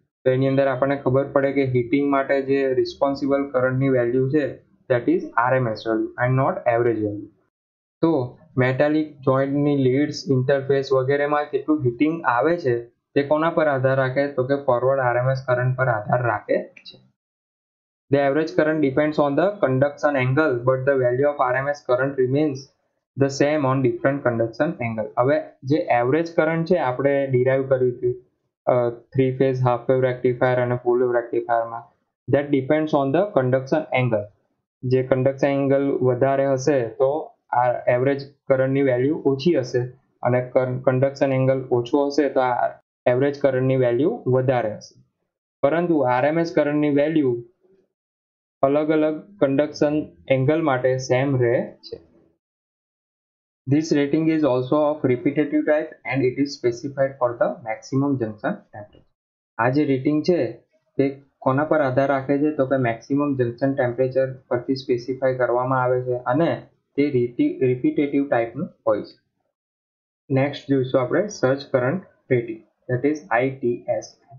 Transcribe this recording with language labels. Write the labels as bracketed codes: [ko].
[gu] તો એની અંદર આપણને ખબર પડે કે હીટિંગ માટે જે રિસ્પોન્સિબલ કરંટની વેલ્યુ છે [en] That is RMS value and not average value. [gu] તો મેટાલિક જોઈન્ટની લીડ્સ ઇન્ટરફેસ વગેરેમાં કેટલું હીટિંગ આવે છે તે કોના પર આધાર રાખે, તો કે ફોરવર્ડ RMS કરંટ પર આધાર રાખે છે. [en] The average current depends on the conduction angle, but the value of RMS current remains the same on different conduction angle. [gu] હવે જે એવરેજ કરંટ છે આપણે ડિરાઇવ કર્યું હતું three phase half wave rectifier અને full wave રેક્ટિફાયરમાં, [en] That depends on the conduction angle. [gu] જે conduction angle વધારે હશે તો આ એવરેજ કરંટની વેલ્યુ ઓછી હશે, અને કન્ડક્શન એંગલ ઓછો હશે તો આ એવરેજ કરંટની વેલ્યુ વધારે હશે. પરંતુ આરએમએસ કરંટની વેલ્યુ અલગ અલગ કન્ડક્શન એંગલ માટે સેમ રહે છે. [en] This rating is also of repetitive type and it is specified for the maximum junction temperature. [gu] આ જે રેટિંગ છે તે કોના પર આધાર રાખે છે, તો કે મેક્સિમમ જંકશન ટેમ્પરેચર પરથી સ્પેસિફાય કરવામાં આવે છે, અને તે રિપીટેટિવ ટાઈપનું હોય છે. નેક્સ્ટ જોઈશું આપણે surge current rating, that is ITS.